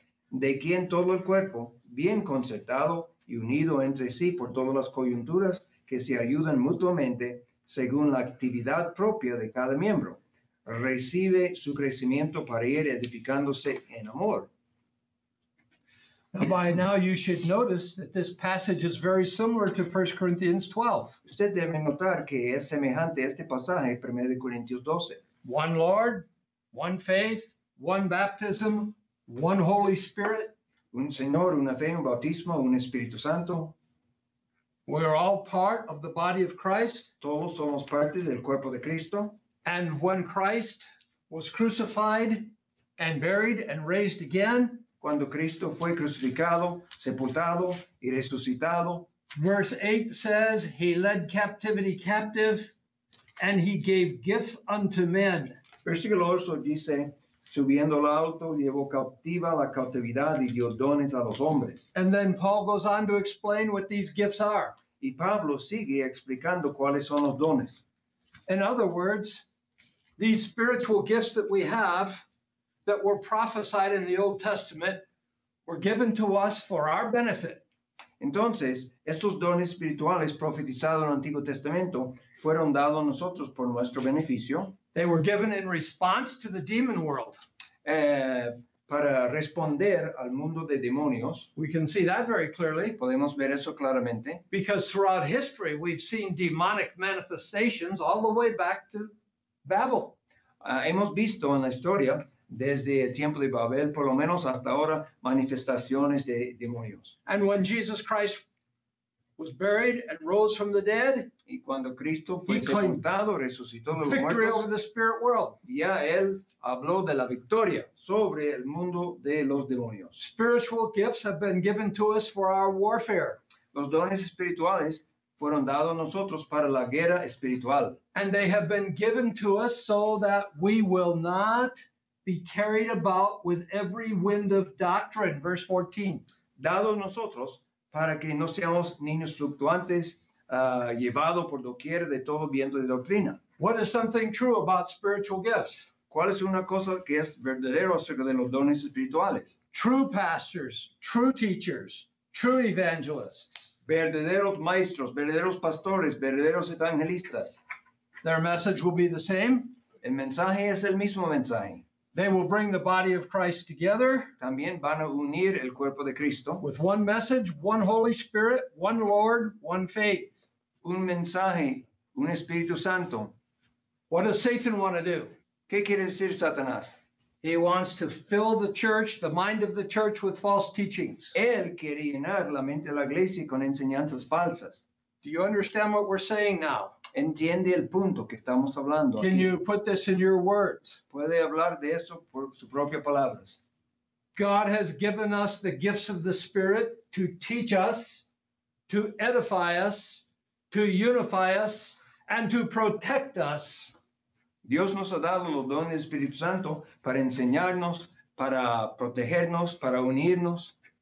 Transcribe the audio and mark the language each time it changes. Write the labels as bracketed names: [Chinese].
[Spanish] de quien todo el cuerpo, bien concertado y unido entre sí por todas las coyunturas que se ayudan mutuamente según la actividad propia de cada miembro, recibe su crecimiento para ir edificándose en amor. [English] Now by now you should notice that this passage is very similar to 1 Corinthians 12. [Spanish] Usted debe notar que es semejante este pasaje, 1 Corintios 12. [English] One Lord, one faith, one baptism, one Holy Spirit. [Spanish] Un Señor, una fe, un bautismo, un Espíritu Santo. [English] We are all part of the body of Christ. [Spanish] Todos somos parte del cuerpo de Cristo. [English] And when Christ was crucified and buried and raised again, [Spanish] cuando Cristo fue crucificado, sepultado y resucitado, [English] verse 8 says, he led captivity captive and he gave gifts unto men. [Spanish] Versículo 8 dice, subiendo al alto, llevó cautiva la cautividad y dio dones a los hombres. [English] And then Paul goes on to explain what these gifts are. [Spanish] Y Pablo sigue explicando cuáles son los dones. [English] In other words, these spiritual gifts that we have, that were prophesied in the Old Testament, were given to us for our benefit. [Spanish] Entonces, estos dones espirituales profetizados en el Antiguo Testamento fueron dados a nosotros por nuestro beneficio. [English] They were given in response to the demon world. [Spanish] Para responder al mundo de demonios. [English] We can see that very clearly. [Spanish] Podemos ver eso claramente. [English] Because throughout history, we've seen demonic manifestations all the way back to Babel. [Spanish] Hemos visto en la historia, desde el tiempo de Babel, por lo menos hasta ahora, manifestaciones de demonios. [English] And when Jesus Christ was buried and rose from the dead, [Spanish] y cuando Cristo fue sepultado, resucitó de los [English] victory [Spanish] muertos, [English] over the spirit world. [Spanish] Ya él habló de la victoria sobre el mundo de los demonios. [English] Spiritual gifts have been given to us for our warfare. [Spanish] Los dones espirituales fueron dados a nosotros para la guerra espiritual. [English] And they have been given to us so that we will not be carried about with every wind of doctrine. Verse 14. [Spanish] Dado a nosotros para que no seamos niños fluctuantes, llevado por doquier de todo viento de doctrina. [English] What is something true about spiritual gifts? [Spanish] ¿Cuál es una cosa que es verdadero acerca de los dones espirituales? [English] True pastors, true teachers, true evangelists. [Spanish] Verdaderos maestros, verdaderos pastores, verdaderos evangelistas. [English] Their message will be the same. [Spanish] El mensaje es el mismo mensaje. [English] They will bring the body of Christ together. [Spanish] También van a unir el cuerpo de Cristo. [English] With one message, one Holy Spirit, one Lord, one faith. [Spanish] Un mensaje, un Espíritu Santo. [English] What does Satan want to do? [Spanish] ¿Qué quiere decir Satanás? [English] He wants to fill the church, the mind of the church, with false teachings. [Spanish] Él quiere llenar la mente de la iglesia con enseñanzas falsas. [English] Do you understand what we're saying now? [Spanish] ¿Entiende el punto que estamos hablando aquí? [English] Can you put this in your words? [Spanish] ¿Puede hablar de eso por sus propias palabras? [English] God has given us the gifts of the Spirit to teach us, to edify us, to unify us, and to protect us. [Spanish] Dios nos ha dado los dones del Espíritu Santo para enseñarnos, para protegernos, para unirnos.